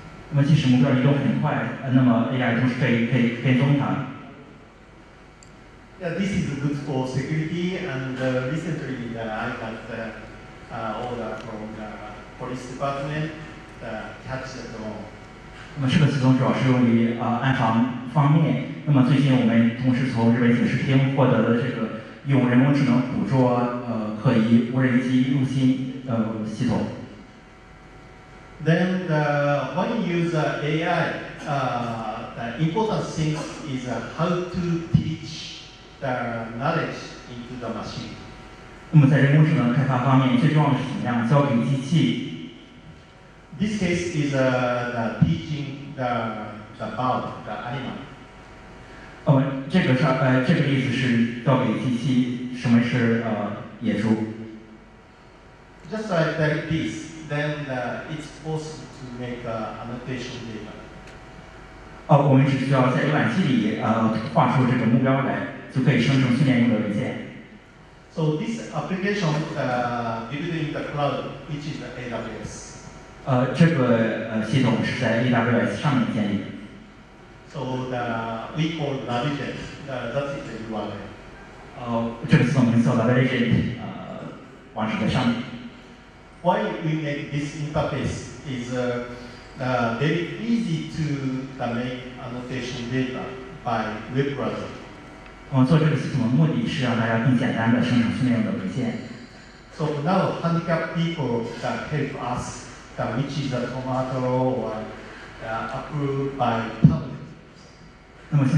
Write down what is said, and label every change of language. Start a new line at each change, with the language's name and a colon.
Chinese: 那么即使目标移动很快，那么 AI 同时可以跟踪它。
English: Yeah, this is good for security, and recently I got order from the police department to catch the drone.
Chinese: 那么这个系统主要是用于 安防方面。那么最近我们同时从日本警视厅获得的这个用人工智能捕捉 可疑无人机入侵 系统。
English: Then when you use AI, the important thing is how to teach the knowledge into the machine.
Chinese: 那么在人工智能开发方面，最重要的是怎么样教给机器？
English: This case is the teaching the bug, the animal.
Chinese: 这个意思是教给机器什么是野猪。
English: Just like this, then it's possible. to make annotation data.
Chinese: 我们只需要在浏览器里画出这个目标来，就可以生成训练用的文件。
English: So this application built in the cloud, which is the AWS.
Chinese: 这个系统是在AWS上面建立。
English: So the we call Navigent, that is the URL.
Chinese: 这个系统名字叫 Navigent, 网址在上面。
English: Why we make this interface is very easy to make annotation data by web browser.
Chinese: 我们做这个系统的目的是让大家更简单地生成训练用的文件。
English: So now handicapped people that help us, that which is a tomato or approved by tablet.